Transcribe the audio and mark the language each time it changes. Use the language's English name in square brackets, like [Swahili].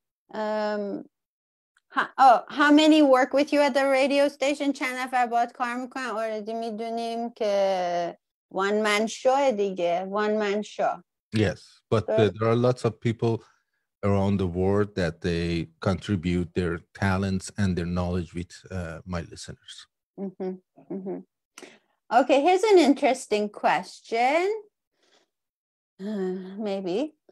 [English] How many work with you at the radio station? [Persian] چند نفر باهات کار میکنن؟ اوردی میدونیم که [English] one man show [Persian] دیگه. [English] One man show. Yes, but there are lots of people around the world that they contribute their talents and their knowledge with my listeners. Okay, here's an interesting question. Maybe.